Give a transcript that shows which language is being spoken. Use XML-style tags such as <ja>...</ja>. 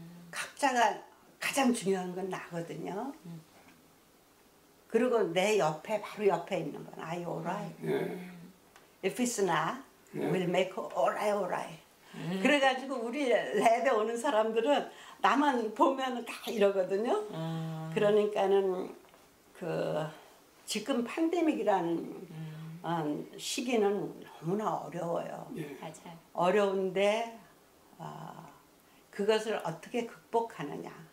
<ko>각자가 가장 중요한 건 나거든요. 그리고 내 옆에 바로 옆에 있는 건</ko> <en>Are you alright? If it's not, we'll make alright.</en> <ko>그래가지고 우리 랩에 오는 사람들은 나만 보면 다 이러거든요. 그러니까는 그 지금 팬데믹이라는 시기는 너무나 어려워요. 어려운데 그것을 어떻게 극복하느냐.</ko>